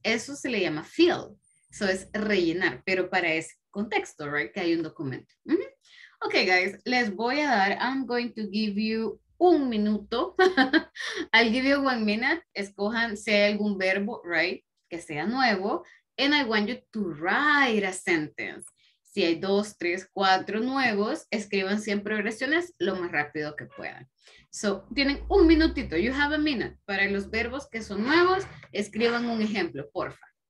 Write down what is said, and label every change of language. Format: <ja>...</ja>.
<es>Eso se le llama fill. Eso es rellenar, pero para ese contexto, right, que hay un documento. Mm-hmm.</es> <en>Ok, guys,</en> <es>les voy a dar,</es> <en>I'm going to give you</en> <es>un minuto.</es> <en>I'll give you 1 minute.</en> <es>Escojan si hay algún verbo, right, que sea nuevo.</es> <en>And I want you to write a sentence.</en> <es>Si hay 2, 3, 4 nuevos, escriban 100 progresiones lo más rápido que puedan. So, tienen un minutito.</es> <en>You have a minute.</en> <es>Para los verbos que son nuevos, escriban un ejemplo, porfa.</es>